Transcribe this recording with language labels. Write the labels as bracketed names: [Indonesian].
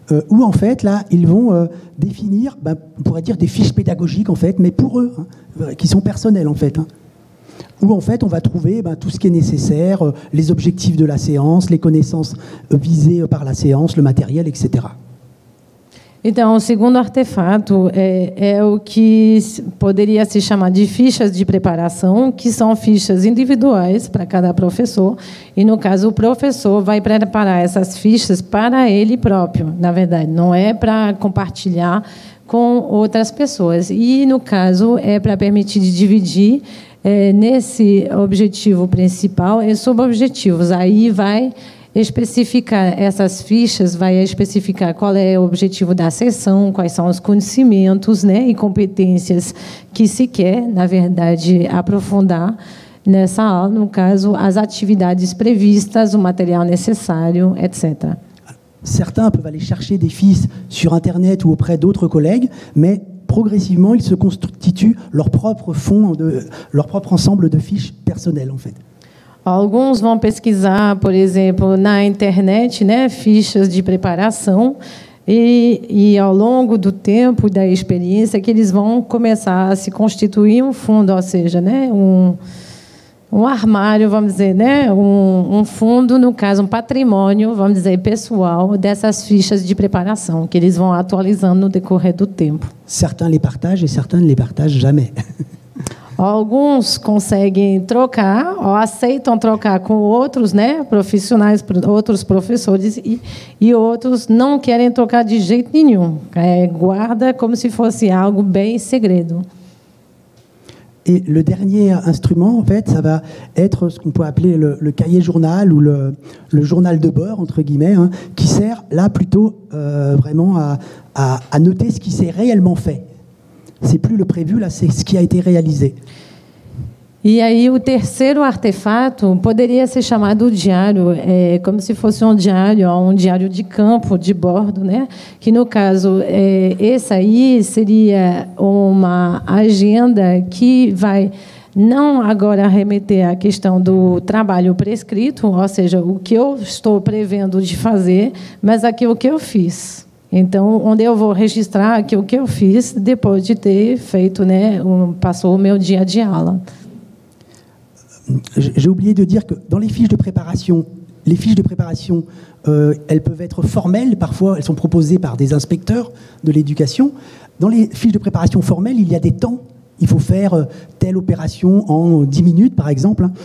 [French] Où en fait, là, ils vont définir, on pourrait dire des fiches pédagogiques en fait, mais pour eux, hein, qui sont personnelles en fait. Hein. Où en fait, on va trouver tout ce qui est nécessaire, les objectifs de la séance, les connaissances visées par la séance, le matériel, etc. [Portuguese] Então, o segundo artefato é o que poderia se chamar de fichas de preparação, que são fichas individuais para cada professor. E, no caso, o professor vai preparar essas fichas para ele próprio, na verdade. Não é para compartilhar com outras pessoas. E, no caso, é para permitir de dividir nesse objetivo principal e subobjetivos. Aí vai especificar essas fichas, vai especificar qual é o objetivo da sessão, quais são os conhecimentos, né, e competências que se quer, na verdade, aprofundar nessa aula, no caso, as atividades previstas, o material necessário, etc. [French] Certains peuvent aller chercher des fiches sur internet ou auprès d'autres collègues, mais progressivement ils se constituent leur propre ensemble de fiches personnelles en fait. [Portuguese] Alguns vão pesquisar, por exemplo, na internet, né, fichas de preparação, e ao longo do tempo da experiência que eles vão começar a se constituir um fundo, ou seja, né, um armário, vamos dizer, né, um fundo, no caso, um patrimônio, vamos dizer, pessoal dessas fichas de preparação que eles vão atualizando no decorrer do tempo. [French] Certains les partagent et certains ne les partagent jamais. [Portuguese] Alguns conseguem trocar ou aceitam trocar com outros, né, profissionais, outros professores, e outros não querem trocar de jeito nenhum. É, guarda como se fosse algo bem segredo. [French] Et le dernier instrument, en fait, ça va être ce qu'on peut appeler le cahier journal ou le journal de bord, entre guillemets, hein, qui sert là plutôt vraiment à noter ce qui s'est réellement fait. C'est plus le prévu, là, c'est ce qui a été réalisé. [Portuguese] Et aí, o terceiro artefato poderia ser chamado diário, é, [French] comme si [Portuguese] fosse un diário de campo, de bordo, né? Que no caso, é, esse aí seria uma agenda que vai não agora remeter à questão do trabalho prescrito, ou seja, o que eu estou prevendo de fazer, mas aquilo que eu fiz. Então, onde eu vou registrar aquilo que eu fiz depois de ter feito, né, passou o meu dia de aula. [French] J'ai oublié de dire que dans les fiches de préparation, elles peuvent être formelles, parfois elles sont proposées par des inspecteurs de l'éducation. Dans les fiches de préparation formelles, il y a des temps. Il faut faire telle opération en 10 minutes, par exemple.